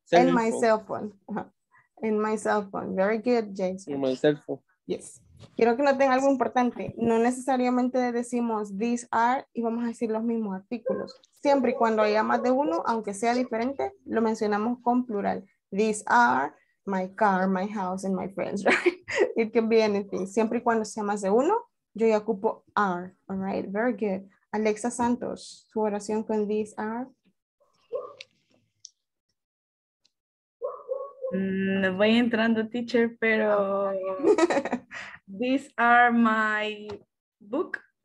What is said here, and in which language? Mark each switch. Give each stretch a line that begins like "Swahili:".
English: And my cell phone. In my cell phone. Very good, Jason. In my cell phone. Yes.
Spanish: Quiero que noten algo importante. No necesariamente decimos
English: these are
Spanish: y vamos a decir los mismos artículos. Siempre y cuando haya más de uno, aunque sea diferente, lo mencionamos con plural.
English: These are my car, my house, and my friends, right? It can be anything.
Spanish: Siempre y cuando sea más de uno, yo ya ocupo are.
English: All right, very good. Alexa Santos,
Spanish: su oración con
English: these are.
Spanish: Voy entrando,
English: teacher, pero these are my book.